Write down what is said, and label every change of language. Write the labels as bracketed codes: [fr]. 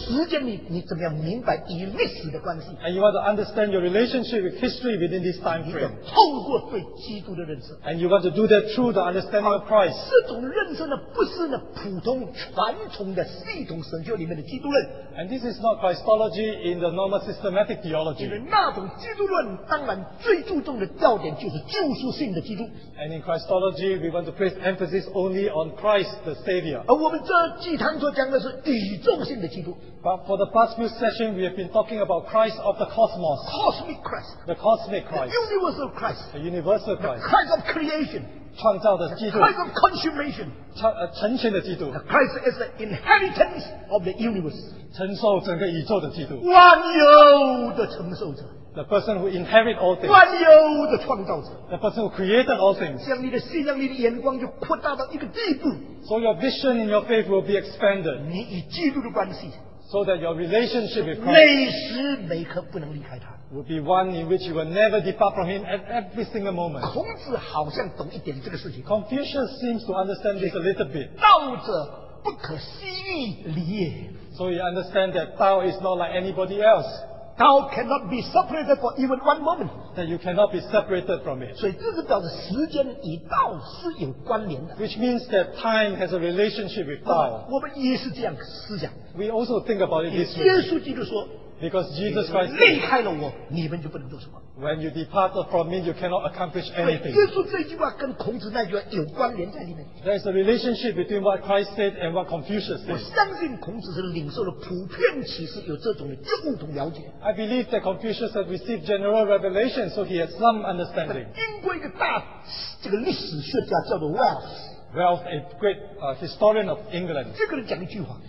[zh] 所以你生命最大的产业就是时间。这个时间你怎么样明白与历史的关系？ [en] And you want to understand your relationship with history within this time frame. [zh] 你要透过对基督的认识。 [en] And you want to do that through the understanding of Christ. [zh] 这种认识呢，不是那普通传统的系统神学。 [en] And this is not Christology in the normal systematic theology. And in Christology, we want to place emphasis only on Christ the Savior. But for the past few sessions, we have been talking about Christ of the cosmos. Cosmic Christ. The cosmic Christ. The universal Christ. The universal Christ. The Christ of creation. [zh] 创造的基督, [en] Christ of consummation. [zh] 成全的基督, [en] Christ is the inheritance of the universe. [zh] 承受整个宇宙的基督, 万有的承受者, [en] the person who inherit all things. [zh] 万有的创造者, [en] the person who created all things. [zh] 这样你的信仰,你的眼光就扩大到一个地步, [en] so your vision and your faith will be expanded. [zh] 你与基督的关系, [en] so that your relationship with Christ [zh] 每时每刻不能离开他, [en] will be one in which you will never depart from him at every single moment. [zh] 孔子好像懂一点这个事情, [en] Confucius seems to understand this a little bit. [zh] 道者不可思议离也, [en] so he understands that Tao is not like anybody else. Thou cannot be separated for even one moment. That you cannot be separated from it. [zh] 所以这个表示时间与道是有关联的。 [en] Which means that time has a relationship with Thou. [zh] 我们也是这样思想。 [en] We also think about it this way. [zh] 耶稣基督说, [en] because Jesus Christ [zh] 离开了我, 你们就不能做什么。 [en] When you depart from me, you cannot accomplish anything. [zh] 耶稣这句话跟孔子那句话有关联在里面。 [en] There is a relationship between what Christ said and what Confucius said. [zh] 我相信孔子是领受了普遍启示，有这种的共同了解。 [en] I believe that Confucius had received general revelation, so he had some understanding. [zh] 经过一个大历史学家叫做Wells, [en] a great historian of England. [zh] 这个人讲一句话,